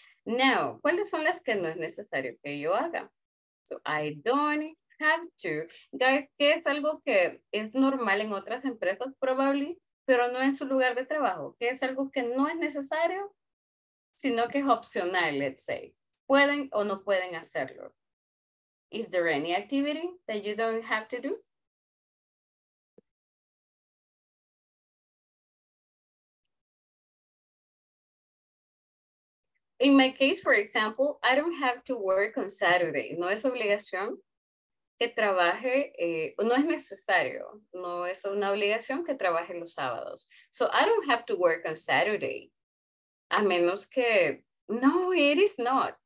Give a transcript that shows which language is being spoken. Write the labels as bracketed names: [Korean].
[Spanish] Now, ¿cuáles son las que no es necesario que yo haga? [English] So I don't have to. [Spanish] Guys, que es algo que es normal en otras empresas, probably, pero no en su lugar de trabajo. Que es algo que no es necesario, sino que es opcional, [English] let's say. [Spanish] Pueden o no pueden hacerlo. [English] Is there any activity that you don't have to do? In my case, for example, I don't have to work on Saturday. [Spanish] No es obligación que trabaje, no es necesario, no es una obligación que trabaje los sábados. [English] So I don't have to work on Saturday, [Spanish] a menos que, [English] no, it is not.